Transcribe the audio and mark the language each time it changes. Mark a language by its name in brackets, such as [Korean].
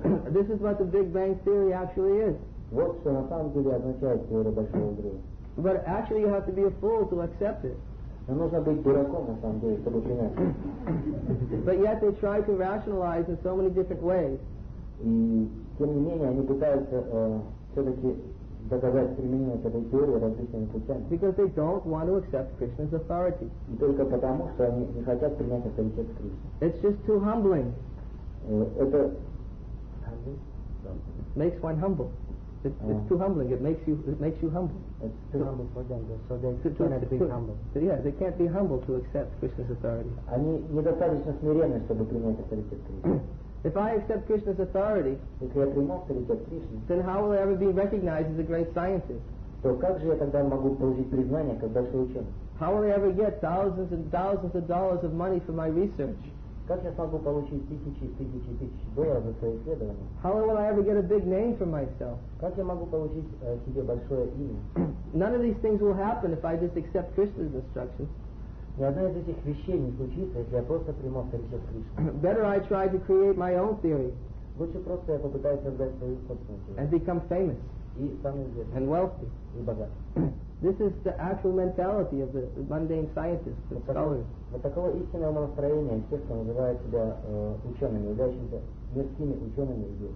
[English] This is what the Big Bang Theory actually is. But actually you have to be a fool to accept it. But yet they try to rationalize in so many different ways. [Russian] Тем не менее, они пытаются все-таки доказать применение этой теории различными путями. [English] Because they don't want to accept Krishna's authority. [Russian] И только потому, что они не хотят принять авторитет Кришны. [English] It's just too humbling. [Russian] Это [English] makes one humble. It's too humbling. It makes you humble. It's too humble for them, so they cannot be humble. Yeah, they can't be humble to accept Krishna's authority. [Russian] Они недостаточно смиренны, чтобы принять авторитет Кришны. [English] If I accept Krishna's authority, then how will I ever be recognized as a great scientist? How will I ever get thousands and thousands of dollars of money for my research? How will I ever get a big name for myself? None of these things will happen if I just accept Krishna's instructions. [Russian] Ни одна из этих вещей не случится, если я просто приму авторитет Кришны. [English] Better I try to create my own theory. [Russian] Лучше просто я попытаюсь создать свою собственную теорию. [English] And become famous. [Russian] И стану известным. [English] And wealthy. [Russian] И богат. [English] This is the actual mentality of the mundane scientists, the scholars. [Russian] Вот такого истинного настроения тех, кто называет себя учеными, являющимися мирскими учеными.